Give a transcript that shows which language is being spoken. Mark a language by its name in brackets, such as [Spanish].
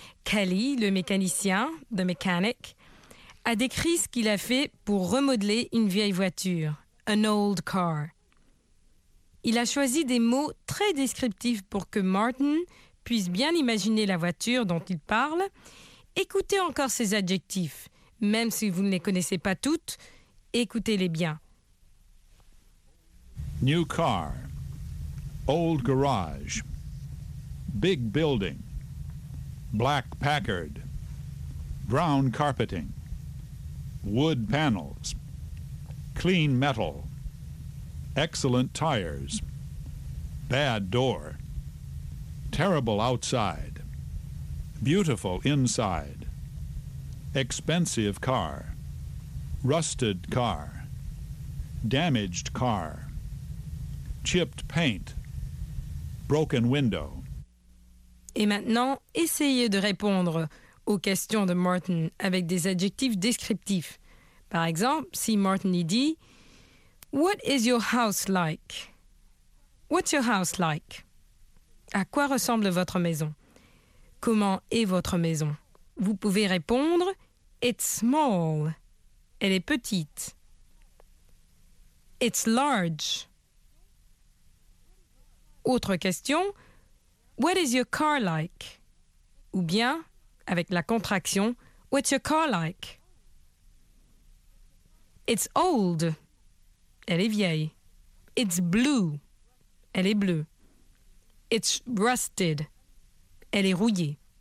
[French] Kelly, le mécanicien, [English] the mechanic, [French] a décrit ce qu'il a fait pour remodeler une vieille voiture, [English] an old car. [French] Il a choisi des mots très descriptifs pour que Martin puisse bien imaginer la voiture dont il parle. Écoutez encore ces adjectifs, même si vous ne les connaissez pas toutes, écoutez-les bien. [English] New car, old garage, big building, black Packard, brown carpeting, wood panels, clean metal, excellent tires, bad door, terrible outside, beautiful inside, expensive car, rusted car, damaged car, chipped paint, broken window. [French] Et maintenant, essayez de répondre aux questions de Martin avec des adjectifs descriptifs. Par exemple, si Martin y dit, [English] What is your house like? What's your house like? [French] À quoi ressemble votre maison? Comment est votre maison? Vous pouvez répondre, [English] It's small. [French] Elle est petite. [English] It's large. [French] Autre question, [English] What is your car like? [French] Ou bien, avec la contraction, [English] What's your car like? It's old. [French] Elle est vieille. [English] It's blue. [French] Elle est bleue. [English] It's rusted. [French] Elle est rouillée.